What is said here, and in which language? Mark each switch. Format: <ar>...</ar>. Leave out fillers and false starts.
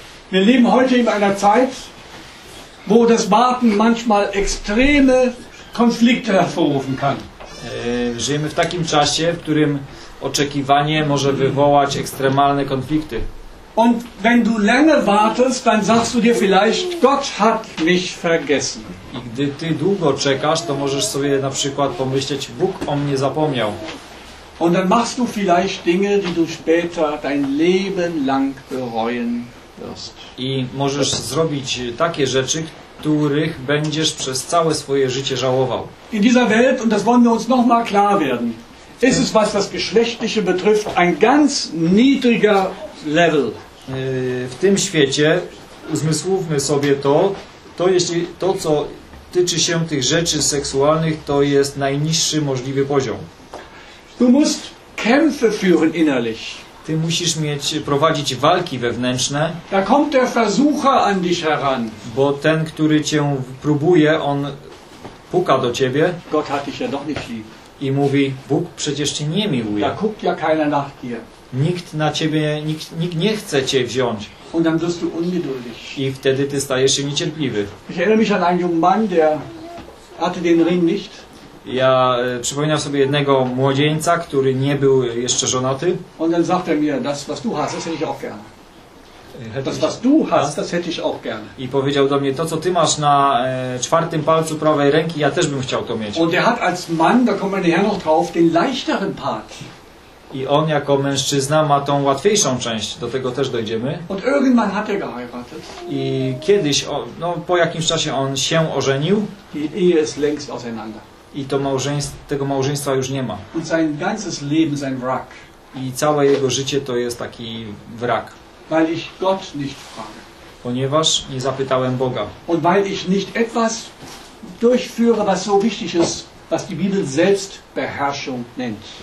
<de>Wir leben heute in einer Zeit, wo das Warten manchmal extreme Konflikte hervorrufen kann.</de> <pl>Żyjemy w takim czasie, w którym oczekiwanie może wywołać ekstremalne konflikty.</pl> <de>Und wenn du länger wartest, dann sagst du dir vielleicht, Gott hat mich vergessen.</de> <pl>I gdy ty długo czekasz, to możesz sobie na przykład pomyśleć, Bóg o mnie zapomniał.</pl> <de>Und dann machst du vielleicht Dinge, die du später dein Leben lang bereuen wirst.</de> <pl>I możesz zrobić takie rzeczy, których będziesz przez całe swoje życie żałował.</pl> <de>In dieser Welt, und das wollen wir uns noch mal klar werden, ist es, was das Geschlechtliche betrifft, ein ganz niedriger level.</de> <pl>W tym świecie uzmysłówmy sobie to jeśli to, co tyczy się tych rzeczy seksualnych, to jest najniższy możliwy poziom.</pl> <de>Du musst Kämpfe führen innerlich.</de> <pl>Ty musisz prowadzić walki wewnętrzne.</pl> <de>Da kommt der Versucher an dich heran.</de> <pl>Bo ten, który cię próbuje, on puka do ciebie.</pl> <de>Gott hat dich ja doch nicht lieb.</de> <pl>I mówi, Bóg przecież cię nie miłuje.</pl> <de>Da guckt ja keiner nach dir.</de> <pl>Nikt na ciebie, nikt nie chce cię wziąć.</pl> <de>Und dann wirst du ungeduldig.</de> <pl>I wtedy ty stajesz się niecierpliwy.</pl> <de>Ich erinnere mich an einen jungen Mann, der hatte den Ring nicht.</de> <pl>Ja przypominam sobie jednego młodzieńca, który nie był jeszcze żonaty.</pl> <de>Und dann sagt er mir, das was du hast, das hätte ich auch gerne. Das was du hast, das hätte ich auch gerne.</de> <pl>I powiedział do mnie, to co ty masz na czwartym palcu prawej ręki, ja też bym chciał to mieć.</pl> <de>Und er hat als Mann, da kommen wir noch drauf, den leichteren Part.</de> <pl>I on jako mężczyzna ma tą łatwiejszą część, do tego też dojdziemy.</pl> <de>Und irgendwann hat er geheiratet.</de> <pl>I kiedyś, no po jakimś czasie on się ożenił.</pl> <de>Die Ehe ist längst auseinander.</de> <pl>I to tego małżeństwa już nie ma.</pl> <de>Und sein ganzes Leben ist ein Wrack.</de> <pl>I całe jego życie to jest taki wrak.</pl> <de>Weil ich Gott nicht frage.</de> <pl>Ponieważ nie zapytałem Boga.</pl> <de>Und weil ich nicht etwas durchführe, was so wichtig ist, was die Bibel Selbstbeherrschung nennt.</de>